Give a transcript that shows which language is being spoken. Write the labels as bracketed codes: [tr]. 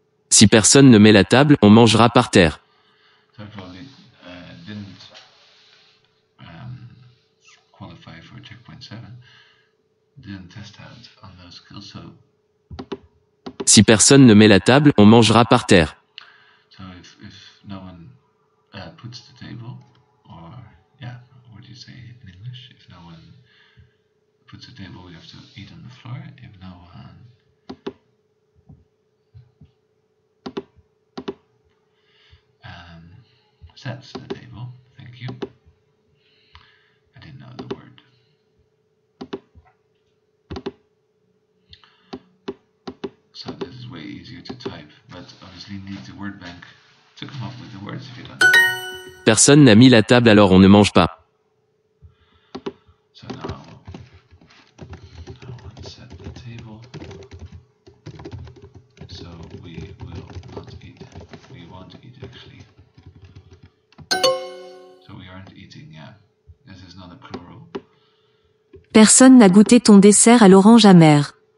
[fr] Si personne ne met la table, on mangera par terre. [en] So I probably didn't qualify for checkpoint 7. Didn't test out on those skills. So. [fr] Si personne ne met la table, on mangera par terre. [en] So if no one. Puts the table, what do you say in English? If no one puts a table, we have to eat on the floor. If no one sets the table, thank you. I didn't know the word. So this is way easier to type, but obviously need the word bank to come up with the words if you don't. [fr] Personne n'a mis la table, alors on ne mange pas. [en] So now, no one set the table. So we will not eat. We won't eat, actually. So we aren't eating, This is not a plural. [fr] Personne n'a goûté ton dessert à l'orange amère.